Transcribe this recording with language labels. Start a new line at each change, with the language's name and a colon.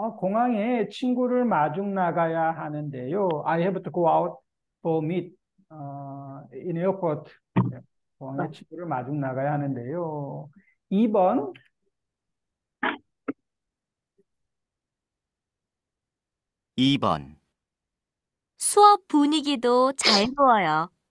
Korean: 공항에 친구를 마중 나가야 하는데요.
English: I have to go out for meet in airport.
Korean: 공항에 친구를 마중 나가야 하는데요. 2번. 2번. 수업 분위기도 자유로워요.